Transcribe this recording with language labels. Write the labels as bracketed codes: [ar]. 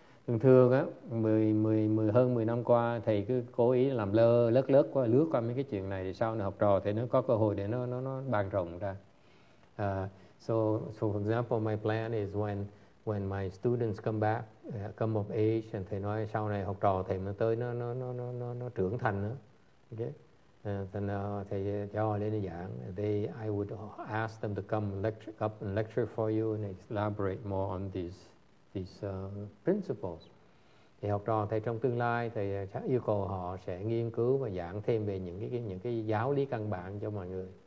[vi] Thường thường á, hơn 10 năm qua thầy cứ cố ý làm lơ lớt lớt qua lướt qua mấy cái chuyện này thì sau này học trò thì nó có cơ hội để nó bàn rộng ra. [en] So for example, my plan is when my students come back, come of age, and [vi] thầy nói sau này học trò thầy mới tới nó trưởng thành nữa. Okay? Then thầy cho lên giảng. [en] I would ask them to come lecture for you and elaborate more on these principles. [vi] Thì học trò thầy trong tương lai thầy chắc yêu cầu họ sẽ nghiên cứu và giảng thêm về những cái giáo lý căn bản cho mọi người.